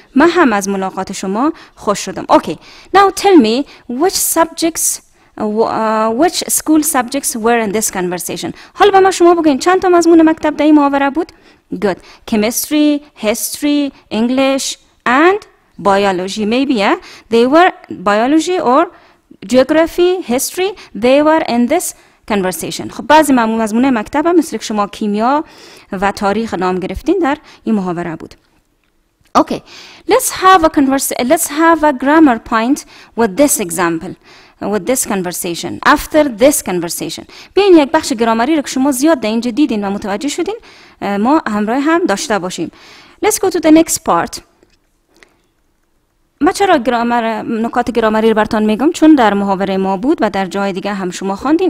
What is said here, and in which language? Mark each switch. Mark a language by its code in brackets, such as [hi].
[fa] ما هم از ملاقات شما خوش شدم. [en] Okay. Now tell me which school subjects were in this conversation. [fa] حالا به ما شما بگین چند تا مضمون مکتب در این محاوره بود؟ [en] Good. Chemistry, history, English, and biology. Maybe, yeah? They were biology or geography, history. They were in this conversation. [fa] خب بعضی مضمون مکتب هم مثل شما کیمیا و تاریخ نام گرفتین در این محاوره بود. [en] Okay. Let's have a grammar point with this example. With this conversation, after this conversation. [fa] بین یک بخش گرامری رو که شما زیاد در اینجا دیدین و متوجه شدین ما همراه هم داشته باشیم. [en] Let's go to the next part. [fa] ما چرا نکات گرامری رو براتون میگم؟ چون در محاوره ما بود و در جای دیگه هم شما خواندین.